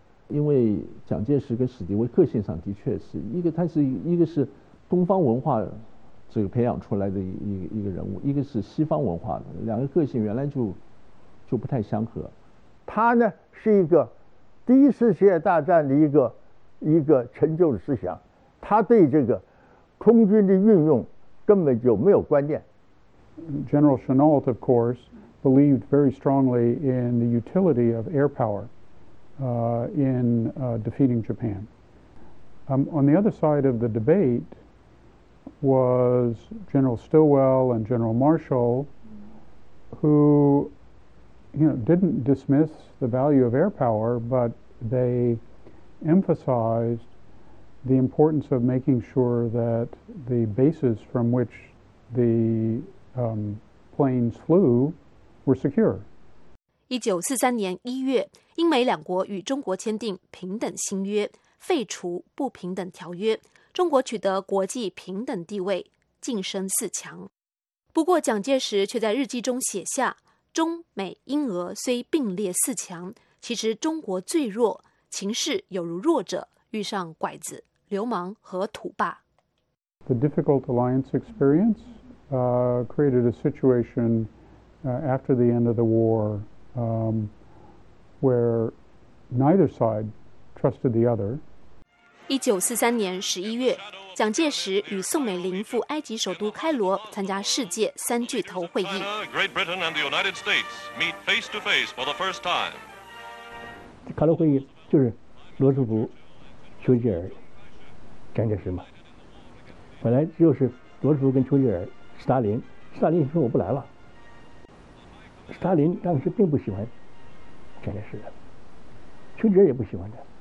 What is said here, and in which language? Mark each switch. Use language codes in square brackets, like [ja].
[zh] 因为蒋介石跟史迪威个性上的确是一个，他是一个是东方文化这个培养出来的一个人物，一个是西方文化的，两个个性原来就不太相合。他呢是一个第一次世界大战的一个陈旧的思想，他对这个空军的运用根本就没有观念。 [en] General Chenault, of course, believed very strongly in the utility of air power, in defeating Japan. On the other side of the debate was General Stilwell and General Marshall, who, you know, didn't dismiss the value of air power, but they emphasized. The importance of making sure that the bases from which the planes flew were secure. [zh] 1943年1月，英美两国与中国签订《平等新约》，废除不平等条约，中国取得国际平等地位，晋升四强。不过，蒋介石却在日记中写下：“中美英俄虽并列四强，其实中国最弱，情势有如弱者遇上拐子。” 流氓和土霸。 [en] The difficult alliance experience created a situation after the end of the war where neither side trusted the other. [zh] 1943年11月，蒋介石与宋美龄赴埃及首都开罗参加世界三巨头会议。 [en] Great Britain and the United States meet face to face for the first time. [zh] 开罗会议就是罗斯福、丘吉尔。蒋介石嘛，本来就是罗斯福跟丘吉尔，斯大林说我不来了。斯大林当时并不喜欢蒋介石的，丘吉尔也不喜欢他。